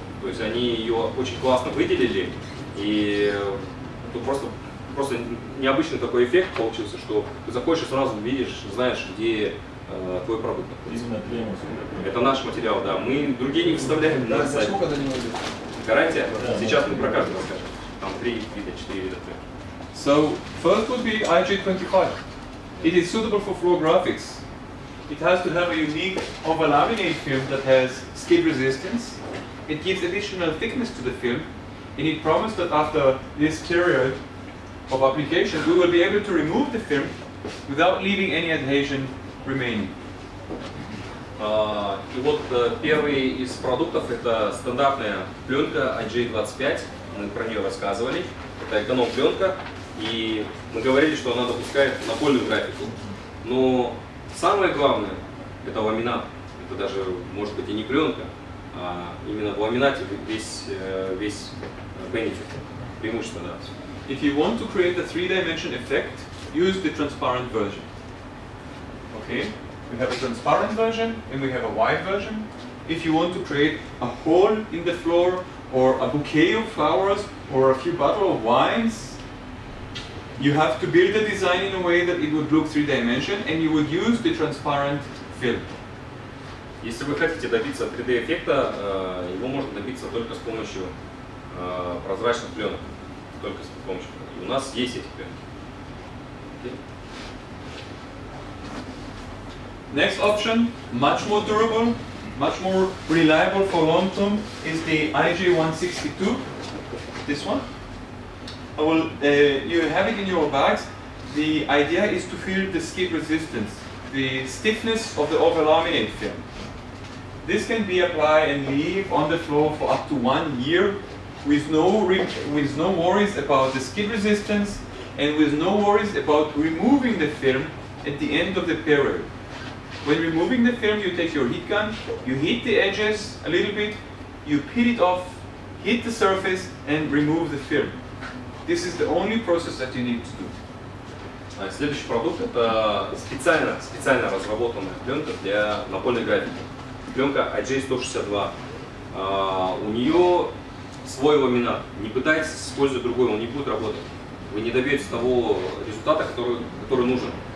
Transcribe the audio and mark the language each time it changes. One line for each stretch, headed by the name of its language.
Russian: То есть они ее очень классно выделили, и тут просто необычный такой эффект получился, что ты заходишь и сразу видишь, знаешь, где твой продукт. Это наш материал, да. Мы другие не выставляем на сайте. Сколько до него идет? Гарантия? Да, сейчас мы про каждый расскажем. Там 3 вида, 4 вида.
English: So, first would be IG25. It is suitable for floor graphics. It has to have a unique over-laminate film that has skid resistance. It gives additional thickness to the film. And it promised that after this period of application, we will be able to remove the film without leaving any adhesion remaining.
Russian: И вот первый из продуктов – это стандартная пленка IG25. Мы про нее рассказывали. Это эконом-пленка. И мы говорили, что она допускает напольную графику. Но самое главное – это ламинат. Это даже, может быть, и не пленка, а именно в ламинате весь benefit, преимущество. Да.
English: If you want to create a three-dimension effect, use the transparent version. Okay. We have a transparent version and we have a white version. If you want to create a hole in the floor or a bouquet of flowers or a few bottles of wines, you have to build the design in a way that it would look three-dimension and you would use the transparent film.
Russian: Если вы хотите добиться 3D-эффекта, его можно добиться только с помощью прозрачных пленок, только с помощью пленки. У нас есть эти пленки. Okay.
English: Next option, much more durable, much more reliable for long term, is the IJ162. This one. I will. You have it in your bags. The idea is to feel the skid resistance, the stiffness of the overlaminate film. This can be applied and leave on the floor for up to 1 year, with no worries about the skid resistance, and with no worries about removing the film at the end of the period. When removing the film, you take your heat gun, you heat the edges a little bit, you peel it off, heat the surface, and remove the film. This is the only process that you need to do.
Russian: Следующий продукт – это специально разработанная пленка для напольной графики. Пленка IJ-162. У нее свой ламинат. Не пытайтесь использовать другой, он не будет работать. Вы не добьетесь того результата, который нужен.